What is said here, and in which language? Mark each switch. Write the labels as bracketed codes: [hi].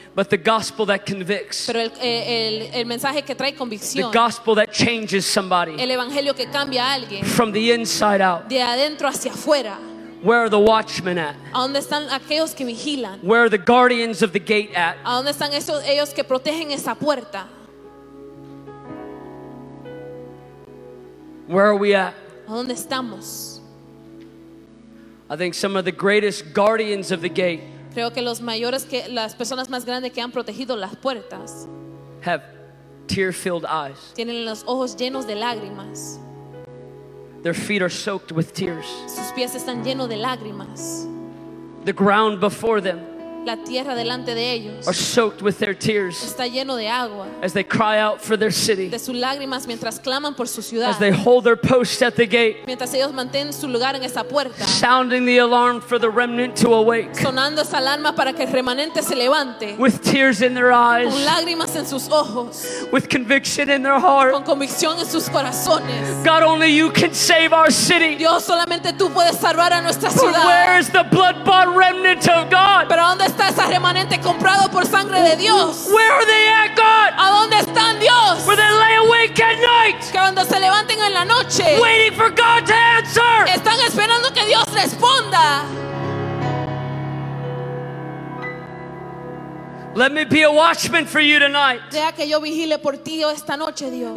[en] But the gospel that convicts. [es] Pero el mensaje que trae convicción. [en] The gospel that changes somebody. [es] El evangelio que cambia a alguien. [en] From the inside out. [es] De adentro hacia afuera. [en] Where are the watchmen at? [es] ¿A dónde están aquellos que vigilan? [en] Where are the guardians of the gate at? [es] ¿A dónde están esos ellos que protegen esa puerta? [en] Where are we at? [es] ¿A dónde estamos? [en] I think some of the greatest guardians of the gate. [es] Creo que los mayores que las personas más grandes que han protegido las puertas. [en] Have tear-filled eyes. [es] Tienen los ojos llenos de lágrimas. [en] Their feet are soaked with tears. [es] Sus pies están llenos de lágrimas. [en] The ground before them. [es] La tierra delante de ellos. [en] Are soaked with their tears. [es] Está lleno de agua. [en] As they cry out for their city. [es] De sus lágrimas mientras claman por su ciudad. [en] As they hold their post at the gate. [es] Mientras ellos mantienen su lugar en esa puerta. [en] Sounding the alarm for the remnant to awake. [es] Sonando esa alarma para que el remanente se levante. [en] With tears in their eyes. [es] Con lágrimas en sus ojos. [en] With conviction in their heart. [es] Con convicción en sus corazones. [en] God, only you can save our city. [es] Dios, solamente tú puedes salvar a nuestra ciudad. [en] But where is the blood-bought remnant of God? [es] ¿Pero dónde está ese remanente comprado por sangre de Dios? [en] Where are they at, God? [es] ¿A dónde están, Dios? [en] Where they lay awake at night. [es] Que cuando se levanten en la noche. [en] Waiting for God to answer. [es] Están esperando que Dios responda. [en] Let me be a watchman for you tonight. [es] Deja que yo vigile por ti esta noche, Dios.